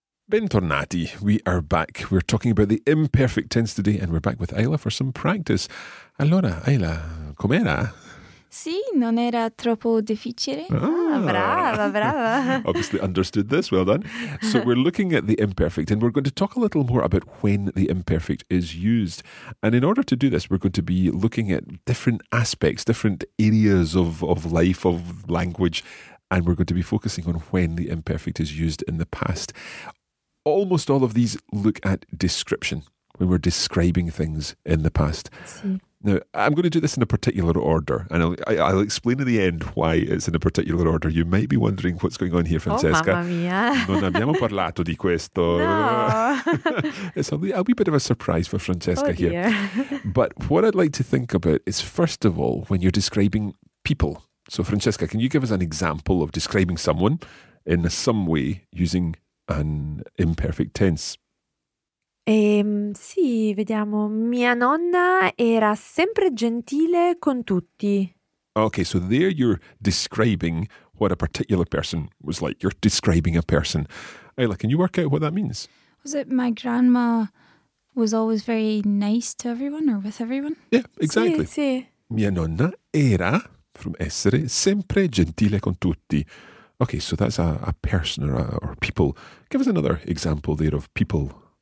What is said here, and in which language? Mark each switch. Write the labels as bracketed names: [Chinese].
[Italian] Bentornati. [English] We are back. We're talking about the imperfect tense today, and we're back with Ayla for some practice. [Italian] Allora, Ayla, com'era? Sì, non era troppo difficile. Ah, brava, brava. [English] Obviously understood this, well done. So we're looking at the imperfect, and we're going to talk a little more about when the imperfect is used. And in order to do this, we're going to be looking at different aspects, different areas of life, of language, and we're going to be focusing on when the imperfect is used in the past. Almost all of these look at description, when we're describing things in the past. Now, I'm going to do this in a particular order, and I'll explain at the end why it's in a particular order. You might be wondering what's going on here, Francesca. [Italian] Oh, mamma mia. Non abbiamo parlato di questo. No. [English] It's a wee bit of a surprise for Francesca here. But what I'd like to think about is, first of all, when you're describing people. So, Francesca, can you give us an example of describing someone in some way using an imperfect tense? [Italian] Sì, vediamo. Mia nonna era sempre gentile con tutti. [English] Okay, so there you're describing what a particular person was like. You're describing a person. Ayla, can you work out what that means? Was it my grandma was always very nice to everyone or with everyone? Yeah, exactly. [Italian] Sì, sì. Mia nonna era, from essere, sempre gentile con tutti. [English] Okay, so that's a person or people. Give us another example there of people.